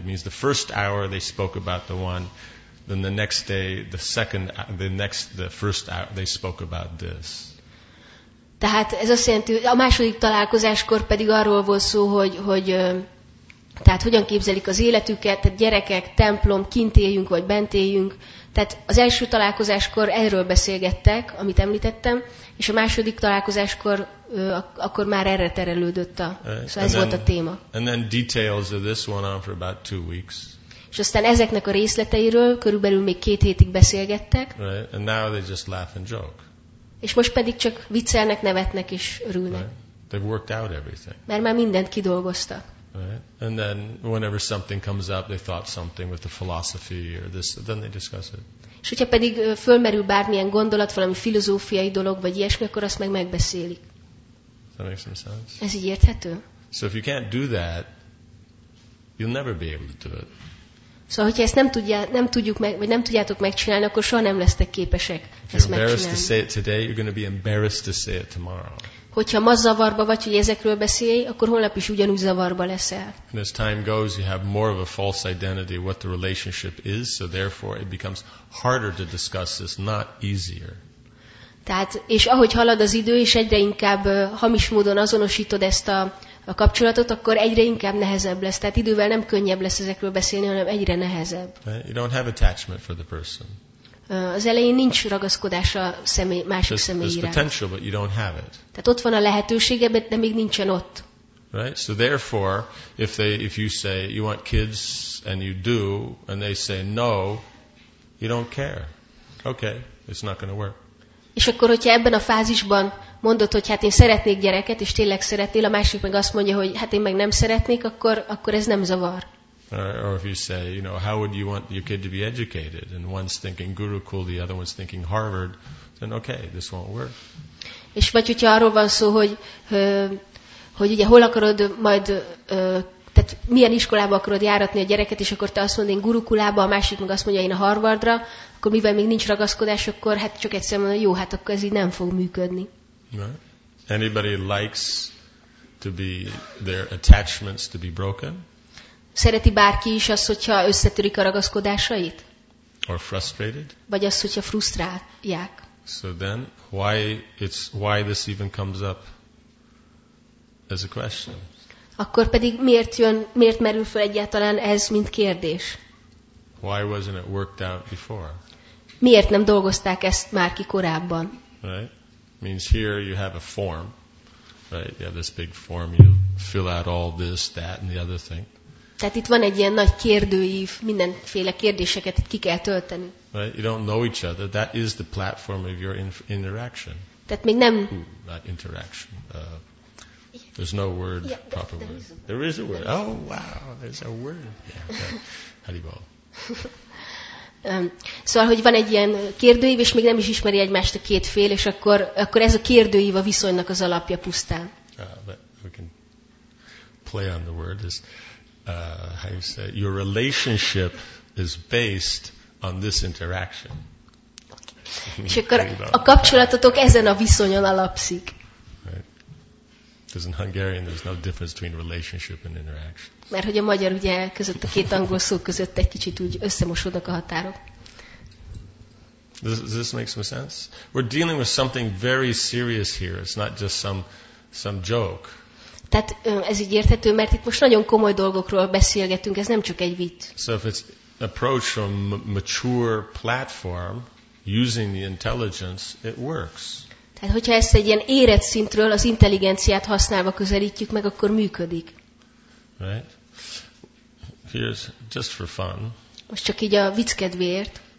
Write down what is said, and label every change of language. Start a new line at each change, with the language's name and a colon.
English: It means the first hour they spoke about the one, then the next day, the first hour, they spoke about this.
Hungarian: Tehát ez azt jelenti, a második találkozáskor pedig arról volt szó, hogy tehát hogyan képzelik az életüket, tehát gyerekek, templom, kint éljünk, vagy bent éljünk. Tehát az első találkozáskor erről beszélgettek, amit említettem, és a második találkozáskor akkor már erre terelődött a, szóval ez volt a téma.
English: And then details of this went on for about 2 weeks.
Hungarian: És aztán ezeknek a részleteiről körülbelül még két hétig beszélgettek.
English: Right. And now they just laugh and joke.
Hungarian: És most pedig csak viccelnek, nevetnek és örülnek.
English: Right. They've worked out everything.
Hungarian: Mert már mindent kidolgoztak.
English: Right. And then whenever something comes up, they thought something with the philosophy or this, then they discuss it.
Hungarian: És hogyha pedig fölmerül bármilyen gondolat, valami filozófiai dolog vagy ilyesmi, akkor azt meg megbeszélik.
English: Does that make some sense?
Hungarian: Ez így érthető?
English: So if you can't do that, you'll never be able to do it.
Hungarian: Szóval, hogyha ezt nem tudjátok megcsinálni, akkor soha nem lesztek képesek ezt megcsinálni.
English: To say it today, you're going to be embarrassed to say it tomorrow.
Hungarian: Hogyha ma zavarba vagy, hogy ezekről beszélj, akkor holnap is ugyanúgy zavarba leszel.
English: And as time goes, you have more of a false identity of what the relationship is, so therefore it becomes harder to discuss this, not easier.
Hungarian: Tehát, és ahogy halad az idő, és egyre inkább hamis módon azonosítod ezt a kapcsolatot, akkor egyre inkább nehezebb lesz. Tehát idővel nem könnyebb lesz ezekről beszélni, hanem egyre nehezebb.
English: You don't have attachment for the person.
Hungarian: Az elején nincs ragaszkodás a személy, másik személyre.
English: Potential, but you don't have it.
Hungarian: Tehát ott van a lehetőség, de még nincsen ott.
English: Right? So therefore, if you say you want kids and you do, and they say no, you don't care. Okay, it's not going to work.
Hungarian: És akkor, hogyha ebben a fázisban mondod, hogy hát én szeretnék gyereket, és tényleg szeretnél, a másik meg azt mondja, hogy hát én meg nem szeretnék, akkor ez nem zavar.
English: Or if you say, you know, how would you want your kid to be educated? And one's thinking Gurukul, the other one's thinking Harvard. Then okay, this won't work.
Hungarian: És vagy hogyha arról van szó, hogy ugye hol akarod majd, tehát milyen iskolába akarod járatni a gyereket, és akkor te azt mondod, én Gurukulába, a másik meg azt mondja, én a Harvardra, akkor mivel még nincs ragaszkodás, akkor hát csak egyszerűen mondod, jó, hát akkor ez így nem fog működni.
English: Right. Anybody likes to be their attachments to be broken?
Hungarian: Szereti bárki is azt, hogyha összetörik a ragaszkodásait?
English: Or frustrated?
Hungarian: Vagy azt, hogyha frusztrálják?
English: So then, why this even comes up as a question?
Hungarian: Akkor pedig miért merül fel egyáltalán ez mint kérdés?
English: Why wasn't it worked out before?
Hungarian: Miért nem dolgozták ezt már ki korábban?
English: Right? Means here you have a form, right? You have this big form, you fill out all this, that and the other thing.
Hungarian: Tehát itt van egy ilyen nagy kérdőív, mindenféle kérdéseket itt ki kell tölteni.
English: Right? You don't know each other. That is the platform of your interaction.
Hungarian: Tehát még nem...
English: Ooh, not interaction. There's no word, yeah, proper word. There is a word. Oh, wow, there's a word. Yeah. Haribo.
Hungarian: Szóval, hogy van egy ilyen kérdőív, és még nem is ismeri egymást a két fél, és akkor ez a kérdőív a viszonynak az alapja pusztán.
English: But we can play on the word is... how you say it? Your relationship is based on this interaction.
Hungarian: És akkor a kapcsolatotok ezen a viszonyon alapszik.
English: Right. In Hungarian, there's no difference between relationship and interaction.
Hungarian: Mert hogy a magyar ugye között a két angol szó között egy kicsit úgy összemosódnak a határok.
English: Does this make some sense? We're dealing with something very serious here. It's not just some joke.
Hungarian: Tehát ez így érthető, mert itt most nagyon komoly dolgokról beszélgetünk, ez nem csak egy vicc.
English: So if it's approached from mature platform, using the intelligence, it works.
Hungarian: Tehát hogyha ezt egy ilyen érett szintről, az intelligenciát használva közelítjük meg, akkor működik.
English: Right. Here's just for fun.
Hungarian: Most csak így a vicc kedvéért.